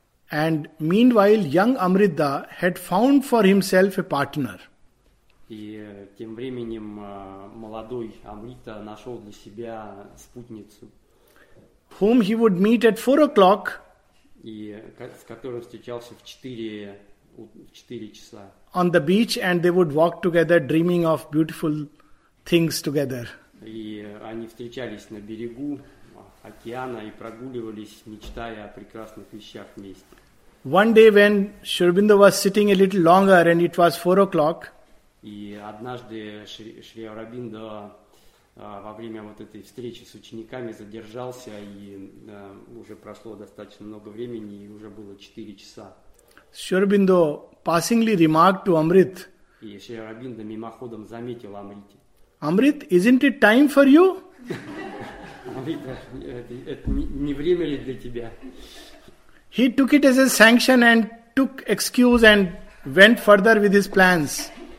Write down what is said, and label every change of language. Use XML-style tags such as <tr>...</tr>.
<en>And meanwhile, young Amrit Da had found for himself a partner.</en> <ru>И тем временем молодой Амрита нашел для себя спутницу.</ru> <en>Whom he would meet at 4 o'clock.</en> <ru>И с которым встречался в 4 4 часа.</ru> <en>On the beach, and they would walk together, dreaming of beautiful things together.</en> <ru>И они встречались на берегу океана и прогуливались, мечтая о прекрасных вещах вместе.</ru> <en>One day when Sri Aurobindo was sitting a little longer and it was 4 o'clock,</en> <ru>и однажды Шри Аурабиндо во время вот этой встречи с учениками задержался, и уже прошло достаточно много времени, и уже было 4 часа.</ru> <en>Sri Aurobindo passingly remarked to Amrit.</en> <ru>И Шри Аурабиндо мимоходом заметил Амрите.</ru> <en>Amrit, isn't it time for you?</en> <ru>Амрита, это не время ли для тебя?</ru> <en>He took it as a sanction and took excuse and went further with his plans.</en>